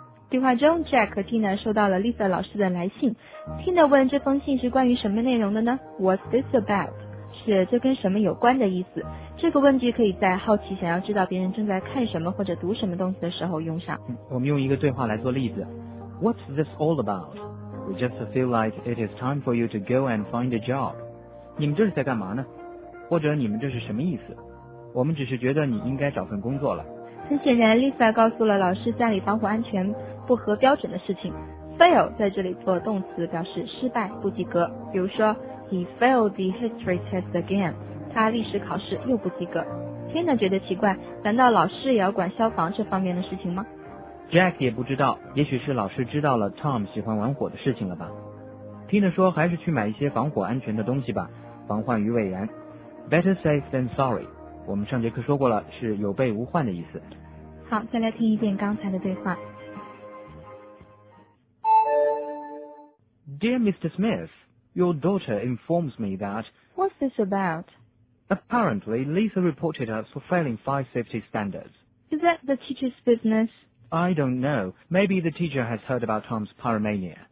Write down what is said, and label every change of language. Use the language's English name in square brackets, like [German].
[Chinese] Jack 和 Tina 收到了 Lisa 老师的来信。Tina 问这封信是关于什么内容的呢？ [English] What's this about? [Chinese] 是这跟什么有关的意思。这个问句可以在好奇想要知道别人正在看什么或者读什么东西的时候用上。我们用一个对话来做例子。 [English] What's this all about? We just feel like it is time for you to go and find a job. [Chinese] 你们这是在干嘛呢？或者你们这是什么意思？我们只是觉得你应该找份工作了。很显然 Lisa 告诉了老师家里防火安全不合标准的事情。 Fail 在这里做动词，表示失败不及格。比如说 [English] He failed the history test again， [Chinese] 他历史考试又不及格。 Tina 觉得奇怪，难道老师也要管消防这方面的事情吗？ Jack 也不知道，也许是老师知道了 Tom 喜欢玩火的事情了吧。 Tina 说还是去买一些防火安全的东西吧，防患于未然。 Better safe than sorry，我们上节课说过了，是有备无患的意思。好，再来听一遍刚才的对话。 [English] Dear Mr. Smith, your daughter informs me that... What's this about? Apparently, Lisa reported us for failing fire safety standards. Is that the teacher's business? I don't know. Maybe the teacher has heard about Tom's pyromania.